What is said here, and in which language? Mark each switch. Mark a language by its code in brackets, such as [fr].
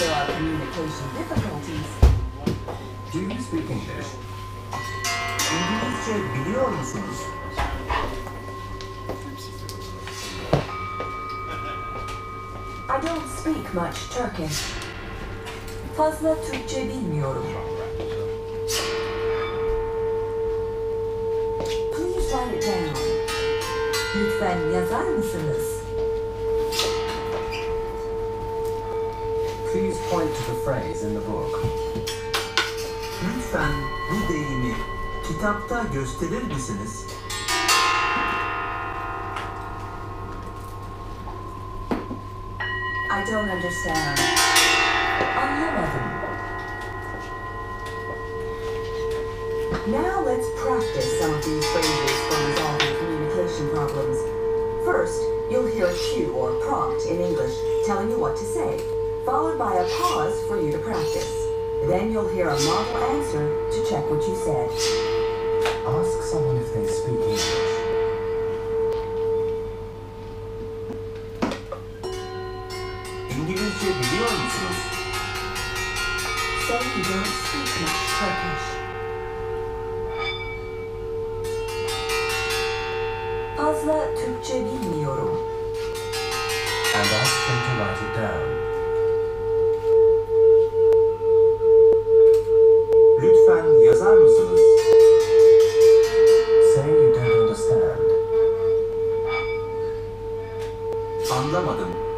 [en] communication difficulties. Do you speak English? English is beautiful. I don't speak much Turkish. [tr] Fazla Türkçe bilmiyorum. [en] Please write it down. [tr] Lütfen yazar mısınız? [en] Please point to the phrase in the book. [tr] Lütfen bu deyimi kitapta gösterir misiniz? [en] I don't understand. [tr] Anlamadım. [en] Now let's practice some of these phrases for resolving communication problems. First, you'll hear a cue or prompt in English telling you what to say, followed by a pause for you to practice. Then you'll hear a model answer to check what you said. Ask someone if they speak English. [tr] İngilizce biliyor musunuz? [en] Say you don't speak much Turkish. [tr] Fazla Türkçe bilmiyorum. [en] And ask them to write it down. [tr] Lütfen yazar mısınız? [en] Say you don't understand. [tr] Anlamadım.